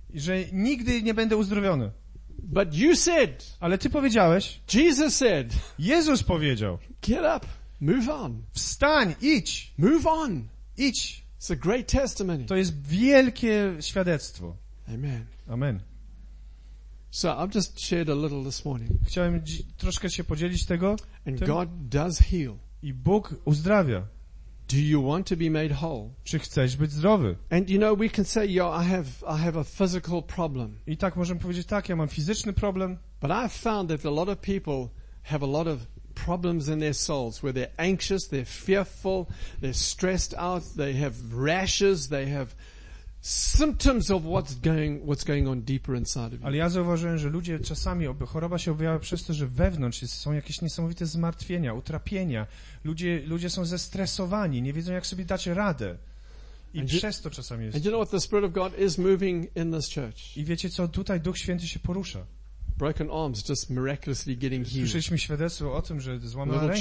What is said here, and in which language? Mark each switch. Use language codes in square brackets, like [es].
[pl] Że nigdy nie będę uzdrowiony. [en] But you said. [pl] Ale ty powiedziałeś. [en] Jesus said. [pl] Jezus powiedział. [en] Get up. Move on. [pl] Wstań, idź. [en] Move on. [pl] Idź. [en] It's a great testimony. [pl] To jest wielkie świadectwo. Amen. Amen. [en] So I've just shared a little this morning. [pl] Chciałem troszkę się podzielić tego. [en] And God does heal. [pl] I Bóg uzdrawia. [en] Do you want to be made whole? [pl] Czy chcesz być zdrowy? [en] And you know we can say, yo, I have a physical problem. [pl] I tak możemy powiedzieć, tak, ja mam fizyczny problem. [en] But I've found that a lot of people have a lot of problems in their souls where they're anxious, they're fearful, they're stressed out, they have rashes, they have symptoms of what's going on deeper inside of you. [pl] Ale ja zauważyłem, że ludzie czasami choroba się objawia przez to, że wewnątrz są jakieś niesamowite zmartwienia, utrapienia. Ludzie są zestresowani, nie wiedzą jak sobie dać radę. I przez to czasami jest. [en] And you know what, the Spirit of God is moving in this church. [pl] I wiecie co, tutaj Duch Święty się porusza. [en] Broken arms just miraculously getting healed. [pl] Słyszeliśmy świadectwo o tym, że złamana ręka